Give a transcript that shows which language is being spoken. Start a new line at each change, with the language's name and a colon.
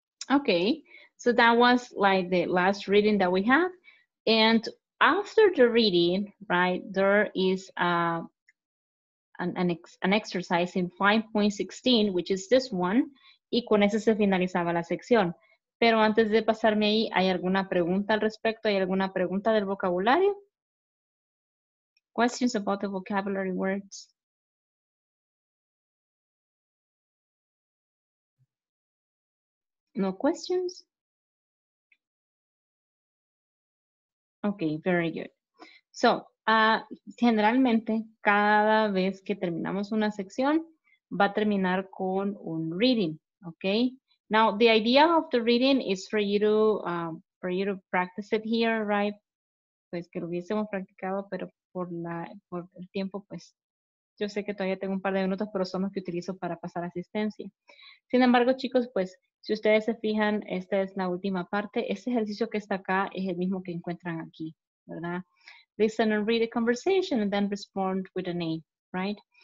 English: Okay, so that was like the last reading that we have. And after the reading, right, there is an exercise in 5.16, which is this one.
Spanish: Y con eso se finalizaba la sección. Pero antes de pasarme ahí, ¿hay alguna pregunta al respecto? ¿Hay alguna pregunta del vocabulario?
English: Questions about the vocabulary words. No questions? Okay, very good.
Spanish: So, generalmente, cada vez que terminamos una sección, va a terminar con un reading, okay?
English: Now, the idea of the reading is for you to practice it here, right?
Spanish: Pues que lo hubiésemos practicado, pero por el tiempo, pues, yo sé que todavía tengo un par de minutos, pero son los que utilizo para pasar asistencia. Sin embargo, chicos, pues, si ustedes se fijan, esta es la última parte. Este ejercicio que está acá es el mismo que encuentran aquí, ¿verdad?
English: Listen and read a conversation and then respond with a name, right?